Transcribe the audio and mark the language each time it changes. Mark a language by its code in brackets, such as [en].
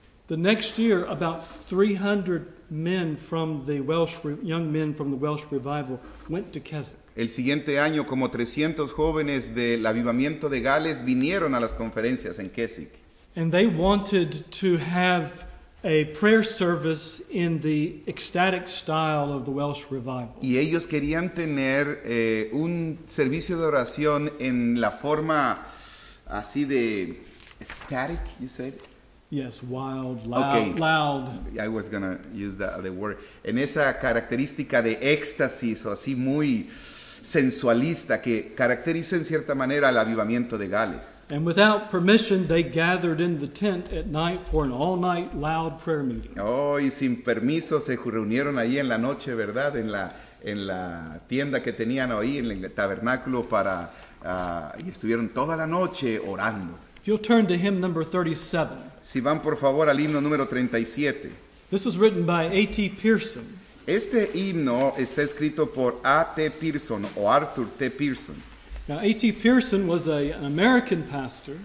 [en] The next year, about 300 men from the Welsh young men from the Welsh revival went to Keswick. [es] El siguiente año, como 300 jóvenes del avivamiento de Gales vinieron a las conferencias en Keswick. [en] And they wanted to have a prayer service in the ecstatic style of the Welsh revival. [es] Y ellos querían tener un servicio de oración en la forma así de [en] ecstatic, you said? Yes, wild, loud. Okay. Loud. I was going to use that other word. [es] En esa característica de éxtasis o así muy sensualista que caracteriza en cierta manera el avivamiento de Gales. [en] And without permission, they gathered in the tent at night for an all-night loud prayer meeting. [es] Oh, y sin permiso se reunieron ahí en la noche, ¿verdad? En la tienda que tenían ahí, en el tabernáculo, y estuvieron toda la noche orando. [en] If you'll turn to hymn number 37. [es] Si van, por favor, al himno número 37. [en] This was written by A.T. Pearson. [es] Este himno está escrito por A.T. Pearson o Arthur T. Pearson. [en] Now, A.T. Pearson was an American pastor.